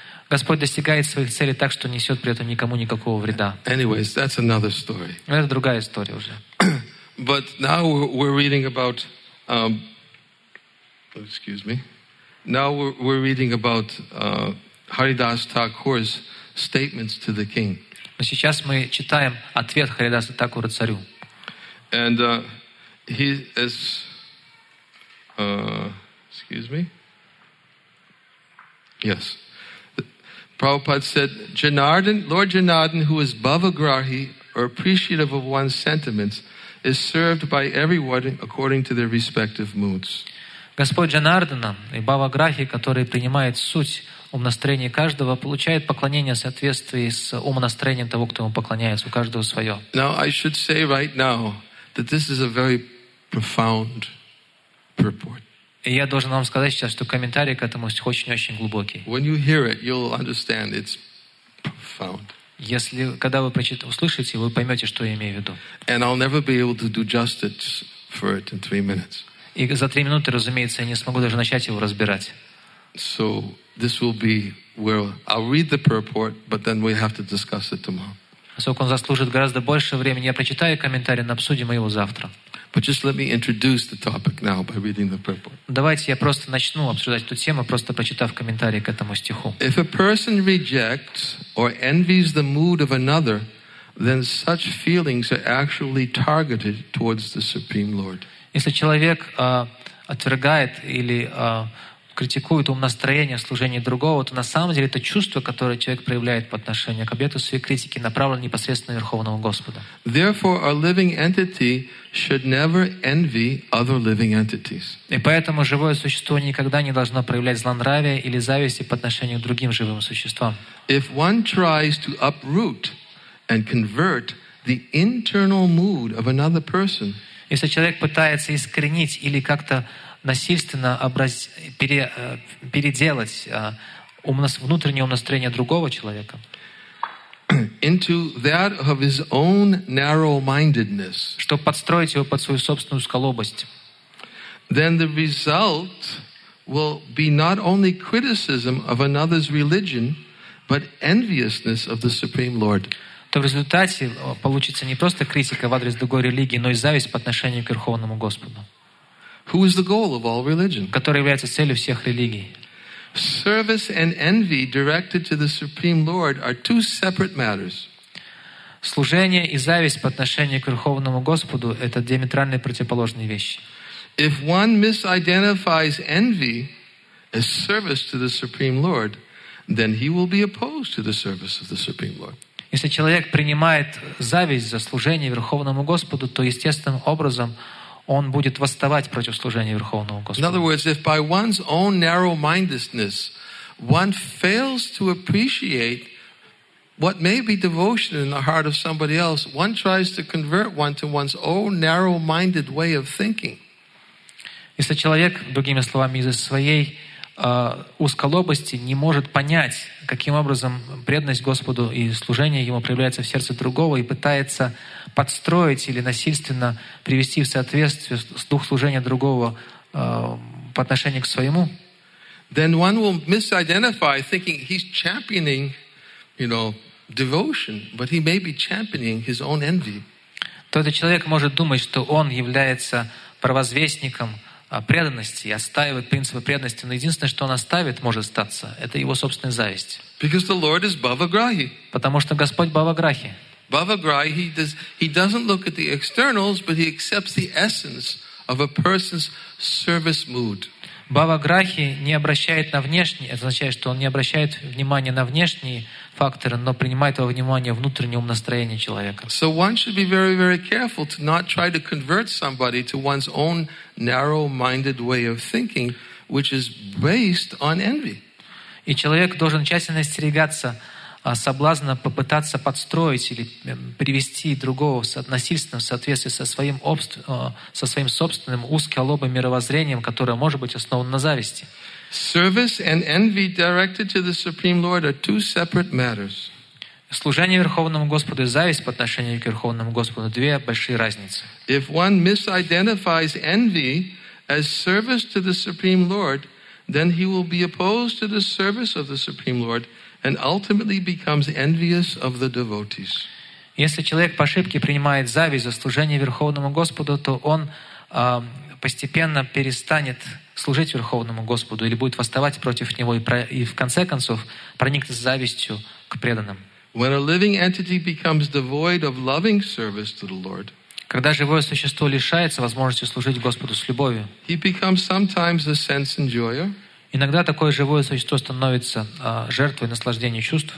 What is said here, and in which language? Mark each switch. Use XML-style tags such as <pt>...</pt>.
<ru>Господь достигает своих целей так, что несет при этом никому никакого вреда.</ru> <en>Anyways, that's another story.</en> <ru>Это другая история уже.</ru> <en>But now we're reading about, excuse me. Now we're reading about Haridas Thakur's statements to the king.</en> <ru>Но сейчас мы читаем ответ Харидаса Такура царю.</ru> <en>And he is, excuse me. Yes. Prabhupada said, Janardhan, Lord Janardhan, who is bhavagrahi, or appreciative of one's sentiments, is served by everyone according to their respective moods.</en> <ru>Господь Джанардана и бхаваграхи, который принимает суть умонастроения каждого, получает поклонение в соответствии с умонастроением того, кто ему поклоняется, у каждого свое.</ru> <en>Now, I should say right now that this is a very profound purport.</en> <ru>И я должен вам сказать сейчас, что комментарий к этому очень-очень глубокий.</ru> <en>When you hear it, you'll understand it's profound.</en> <ru>Если когда вы услышите, вы поймете, что я имею в виду.</ru> <en>And I'll never be able to do justice for it in 3 minutes.</en> <ru>И за 3 минуты, разумеется, я не смогу даже начать его разбирать.</ru> <en>So this will be where I'll read the purport, but then we have to discuss it tomorrow.</en> <ru>Поскольку он заслужит гораздо больше времени, я прочитаю комментарий, но обсудим его завтра.</ru> <en>But just let me introduce the topic now by reading the purport.</en> <ru>Давайте я просто начну обсуждать эту тему, просто прочитав комментарий к этому стиху.</ru> <en>If a person rejects or envies the mood of another, then such feelings are actually targeted towards the Supreme Lord.</en> <ru>Если человек отвергает или критикует умонастроение служения другого, то на самом деле это чувство, которое человек проявляет по отношению к объекту своей критики, направлено непосредственно на Верховного Господа.</ru> <en>Therefore, a living entity should never envy other living entities.</en> <ru>И поэтому живое существо никогда не должно проявлять злонравие или зависти по отношению к другим живым существам.</ru> <en>If one tries to uproot and convert the internal mood of another person,</en> <ru>если человек пытается искоренить или как-то насильственно переделать внутреннее умонастроение другого человека</ru> <en>into that of his own narrow-mindedness,</en> <ru>чтобы подстроить его под свою собственную узколобость,</ru> <en>then the result will be not only criticism of another's religion, but enviousness of the Supreme Lord.</en> <ru>То в результате получится не просто критика в адрес другой религии, но и зависть по отношению к Верховному Господу.</ru> <en>Who is the goal of all religion?</en> <ru>Который является целью всех религий.</ru> <en>Service and envy directed to the Supreme Lord are two separate matters.</en> <ru>Служение и зависть по отношению к Верховному Господу — это диаметрально противоположные вещи.</ru> <en>If one misidentifies envy as service to the Supreme Lord, then he will be opposed to the service of the Supreme Lord.</en> <ru>Если человек принимает зависть за служение Верховному Господу, то естественным образом он будет восставать против служения Верховного Господа.</ru> <en>In other words, if by one's own narrow-mindedness one fails to appreciate what may be devotion in the heart of somebody else, one tries to convert one to one's own narrow-minded way of thinking.</en> <ru>Если человек, другими словами, из-за своей узколобости не может понять, каким образом преданность Господу и служение Ему проявляется в сердце другого и пытается подстроить или насильственно привести в соответствие дух служения другого по отношению к своему,</ru> <en>then one will misidentify, thinking he's championing, you know, devotion, but he may be championing his own envy.</en> <ru>То этот человек может думать, что он является провозвестником преданности и отстаивает принципы преданности, но единственное, что он оставит, может статься, это его собственная зависть.</ru> <en>Because the Lord is Bhavagrahi.</en> <ru>Потому что Господь Бхаваграхи.</ru> <en>Bhavagrahi, he doesn't look at the externals, but he accepts the essence of a person's service mood.</en> <ru>Бхаваграхи не обращает на внешний, это означает, что он не обращает внимания на внешние факторы, но принимает во внимание внутреннее настроение человека.</ru> <en>So one should be very, very careful to not try to convert somebody to one's own narrow-minded way of thinking, which is based on envy.</en> <ru>И человек должен тщательно остерегаться соблазна попытаться подстроить или привести другого насильственно в соответствии со своим собственным узколобым мировоззрением, которое может быть основано на зависти.</ru> <en>Service and envy directed to the Supreme Lord are two separate matters.</en> <ru>Служение Верховному Господу и зависть по отношению к Верховному Господу — две большие разницы.</ru> <en>If one misidentifies envy as service to the Supreme Lord, then he will be opposed to the service of the Supreme Lord and ultimately becomes envious of the devotees.</en> <ru>Если человек по ошибке принимает зависть за служение Верховному Господу, то он постепенно перестанет служить Верховному Господу или будет восставать против него и в конце концов проникнет завистью к преданным.</ru> <en>When a living entity becomes devoid of loving service to the Lord,</en> <ru>когда живое существо лишается возможности служить Господу с любовью,</ru> <en>he becomes sometimes a sense enjoyer.</en> <ru>Иногда такое живое существо становится жертвой наслаждения чувств.</ru>